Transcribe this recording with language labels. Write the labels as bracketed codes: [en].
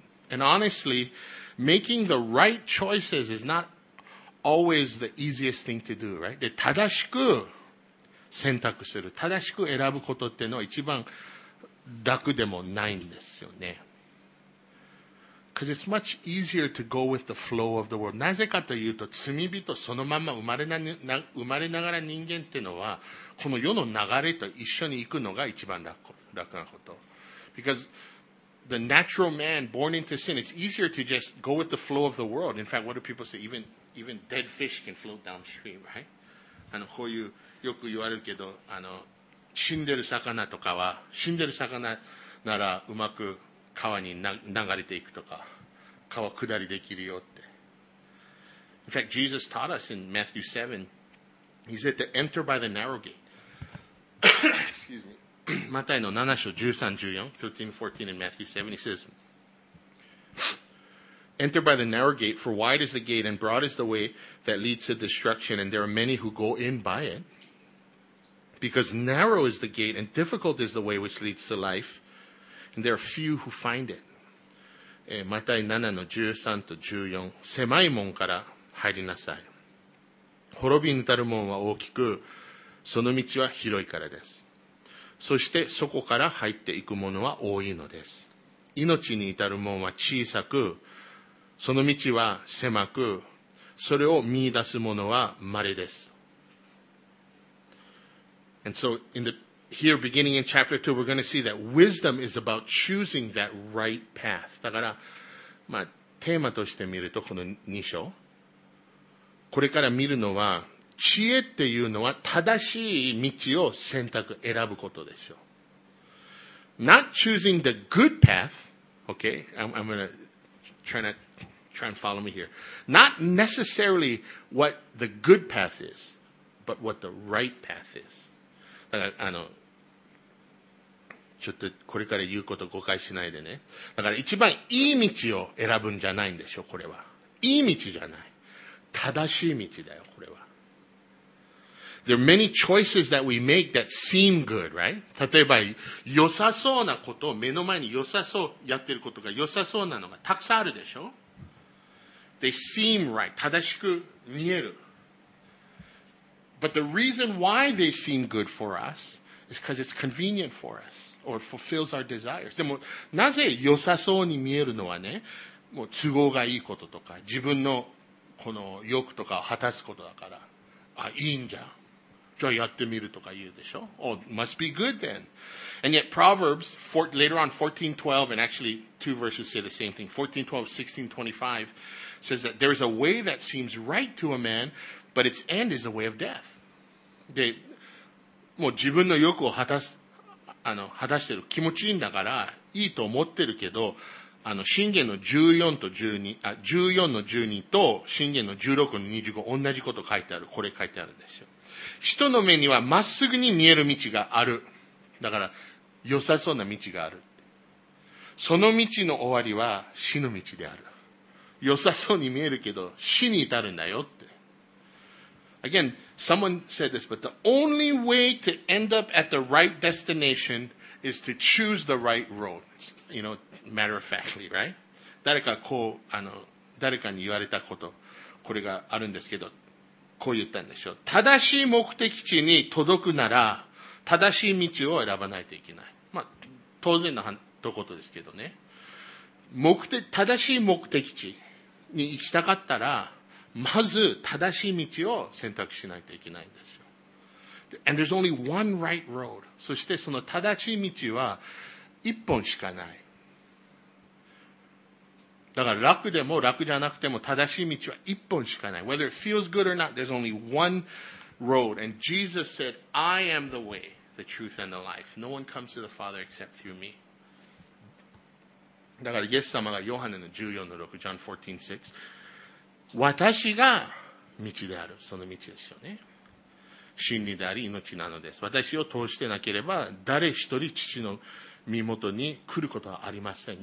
[en] And honestly, making the right choices is not always the easiest thing to do, right? [ja] で、正しく選択する。正しく選ぶことってのは一番楽でもないんですよね。 [en] Because it's much easier to go with the flow of the world. [ja] なぜかというと、罪人そのまま生まれながら人間っていうのは、この世の流れと一緒に行くのが一番楽なこと。 [en] Because the natural man born into sin, it's easier to just go with the flow of the world. In fact, what do people say? Even dead fish can float downstream, right? [ja] こういう、よく言われるけど、死んでる魚とかは、死んでる魚ならうまく、川に流れていくとか、川下りできるよって。 [en] In fact, Jesus taught us in Matthew 7, he said to enter by the narrow gate. Excuse me. [ja] マタイの7章13、14, [en] 13, 14 in Matthew 7, he says, enter by the narrow gate, for wide is the gate and broad is the way that leads to destruction, and there are many who go in by it. Because narrow is the gate and difficult is the way which leads to life,And there are few who find it. [ja] マタイ7の13と14。狭い門から入りなさい。滅びに至る門は大きく、その道は広いからです。そしてそこから入っていく者は多いのです。命に至る門は小さく、その道は狭く、それを見出す者は稀です。 [en] And so Here, beginning in chapter 2, we're going to see that wisdom is about choosing that right path. [ja] だから、まあ、テーマとして見ると、この2章。これから見るのは、知恵っていうのは正しい道を選択、選ぶことでしょう。 [en] Not choosing the good path, okay? I'm going to try and follow me here. Not necessarily what the good path is, but what the right path is. [ja] だから、ちょっとこれから言うこと誤解しないでね。だから一番いい道を選ぶんじゃないんでしょ、これは。いい道じゃない。正しい道だよ、これは。 [en] There are many choices that we make that seem good, right? [ja] 例えば、良さそうなことを目の前に良さそう、やってることが良さそうなのがたくさんあるでしょ ? [en] They seem right. [ja] 正しく見える。 [en] But the reason why they seem good for us is because it's convenient for us. Or fulfills our desires. [ja] でも、なぜ良さそうに見えるのはね、もう都合がいいこととか、自分のこの欲とかを果たすことだから。あ、いいんじゃん。じゃあやってみるとか言うでしょ。 [en] Oh, must be good then. And yet Proverbs, four, later on 14:12, and actually two verses say the same thing. 14:12, 16:25 says that there's a way that seems right to a man, but its end is the way of death. [ja] で、もう自分の欲を果たす、果たしてる気持ちいいんだから、いいと思ってるけど、信玄の14の12と信玄の16の25、同じこと書いてある。これ書いてあるんですよ。人の目にはまっすぐに見える道がある。だから、良さそうな道がある。その道の終わりは死の道である。良さそうに見えるけど、死に至るんだよって。 [en] Again, someone said this, but the only way to end up at the right destination is to choose the right road. You know, matter of factly, right? [ja] 誰かこう、誰かに言われたこと、これがあるんですけど、こう言ったんでしょう。正しい目的地に届くなら、正しい道を選ばないといけない。まあ、当然のとことですけどね。正しい目的地に行きたかったら、まず正しい道を選択しないといけないんですよ。 [en] And there's only one right road. [ja] そしてその正しい道は一本しかない。だから楽でも楽じゃなくても正しい道は一本しかない。 [en] Whether it feels good or not, there's only one road. And Jesus said, I am the way, the truth, and the life. No one comes to the Father except through me. [ja] だからイエス様がヨハネの14の6、John 14:6私が道である。その道ですよね。真理であり命なのです。私を通してなければ誰一人父の身元に来ることはありません。